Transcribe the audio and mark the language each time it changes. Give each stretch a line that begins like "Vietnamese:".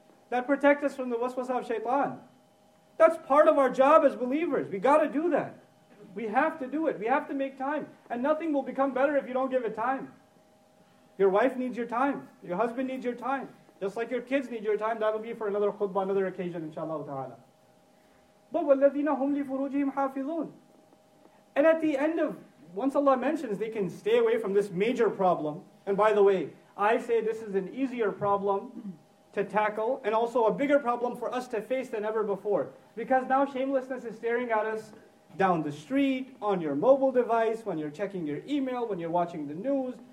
English: That protects us from the waswasa of shaitan. That's part of our job as believers. We got to do that. We have to do it. We have to make time. And nothing will become better if you don't give it time. Your wife needs your time. Your husband needs your time. Just like your kids need your time, that will be for another khutbah, another occasion, inshallah ta'ala. But
Arabic: وَالَّذِينَ هُمْ لِفُرُوجِهِمْ حَافِظُونَ.
English: And at the end of, once Allah mentions, they can stay away from this major problem. And by the way, I say this is an easier problem to tackle, and also a bigger problem for us to face than ever before. Because now shamelessness is staring at us down the street, on your mobile device, when you're checking your email, when you're watching the news.